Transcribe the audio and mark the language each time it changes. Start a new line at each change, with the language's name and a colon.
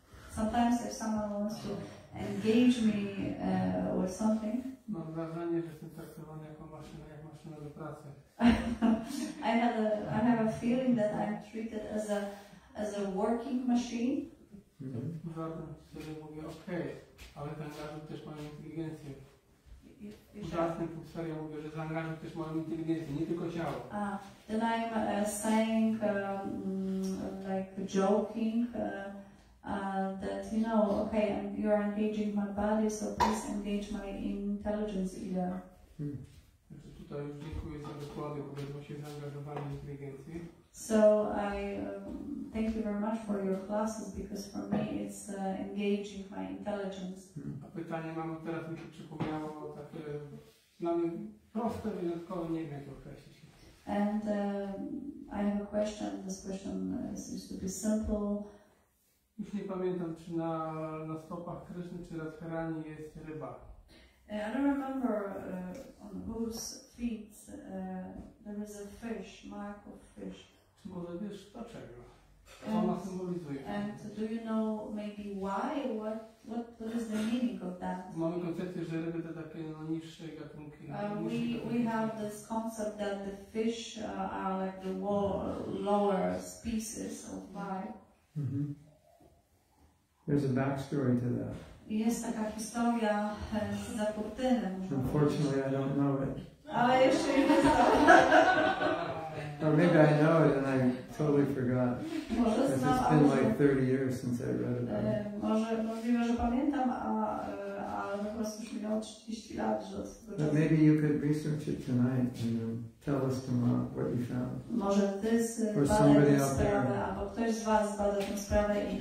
English: Sometimes if someone wants to engage me with something.
Polish: Mam wrażenie, że jestem traktowany jako maszyna, jak maszyna do pracy.
English: I have a feeling that I'm treated as a working machine.
Polish: Zatem sobie mówię, okej, ale ten zarząd też ma inteligencję. Zatem po serio mówię, że ten zarząd też ma inteligencję, nie tylko ciało.
English: Then I'm saying, like joking, that you know, okay, you are engaging my body, so please engage my intelligence, either.
Polish: Tutaj już dziękuję za wykłady, bo się zaangażowałem w inteligencję.
English: So I thank you very much for your classes, because for me it's engaging my intelligence.
Polish: A pytanie mam teraz, mi się przypomniało takie, dla mnie proste, wyjątkowe, nie wiem jak określić.
English: And I have a question. This question seems to be simple.
Polish: Już nie pamiętam, czy na stopach Kryszny, czy Radharani jest ryba.
English: I don't remember on whose feet there is a fish, mark of fish.
Polish: Czy może wiesz dlaczego? Co ona symbolizuje?
English: And do you know maybe why? What is the meaning of that?
Polish: Mamy koncepcję, że ryby to takie niższe gatunki.
English: We have this concept that the fish are like the lower species of life. Mm-hmm. There's a backstory to that.
Polish: Jest taka historia za kurtynem.
English: Unfortunately, I don't know it.
Polish: Ale jeszcze nie znam.
English: Or maybe I know it and I totally forgot. Because it's been like 30 years since I read about it.
Polish: Może możliwe, że pamiętam, ale po prostu już minęło 30 lat, że od tego czasu.
English: Maybe you could research it tonight and tell us tomorrow what you found.
Polish: Może ty zbadaj tę sprawę, albo ktoś z was zbada tę sprawę i